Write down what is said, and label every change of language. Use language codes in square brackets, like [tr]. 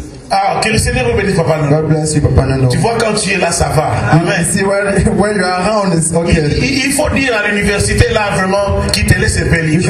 [fr] Ah, que le Seigneur vous bénisse, Papa Nono. [en] God bless you, Papa Nono. [fr] Tu vois, quand tu es là, ça va. Amen. [en] See, when you are around, it's okay. [fr] Il faut dire à l'université, là, vraiment, qu'il te laisse bénir.